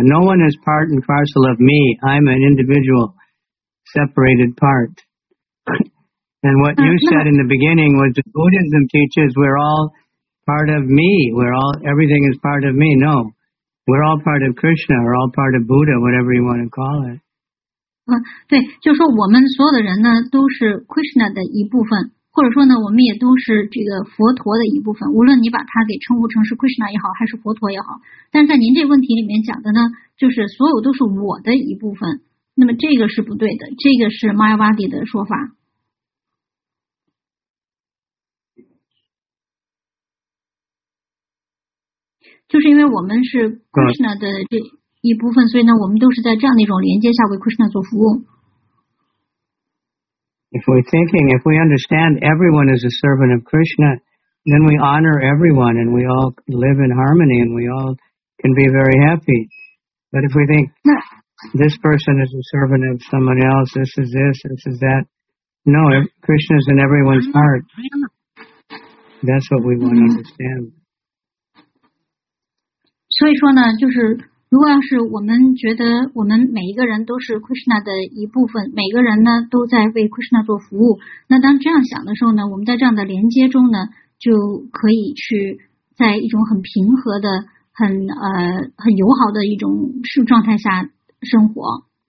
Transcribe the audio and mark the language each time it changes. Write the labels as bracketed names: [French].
[English] No one is part and parcel of me. I'm an individual, separated part. And what you said in the beginning was that Buddhism teaches we're all part of me. We're all, everything is part of me. No, we're all part of Krishna. We're all part of Buddha, whatever you want to call it. [Chinese] 对，就说我们所有的人呢，都是 Krishna 的一部分，或者说呢，我们也都是这个佛陀的一部分。无论你把它给称呼成是 Krishna 也好，还是佛陀也好，但在您这问题里面讲的呢，就是所有都是我的一部分，那么这个是不对的，这个是 Mayavadi 的说法。就是因为我们是 Krishna 的这一部分，所以呢，我们都是在这样的一种连接下为 Krishna 做服务。 [English] If we're thinking, if we understand everyone is a servant of Krishna, then we honor everyone and we all live in harmony and we all can be very happy. But if we think this person is a servant of someone else, this is that, no, Krishna is in everyone's heart. That's what we want to understand. [Chinese] 所以说呢，就是如果要是我们觉得我们每一个人都是 Krishna 的一部分，每个人呢都在为 Krishna 做服务，那当这样想的时候呢，我们在这样的连接中呢，就可以去在一种很平和的、很很友好的一种状态下生活。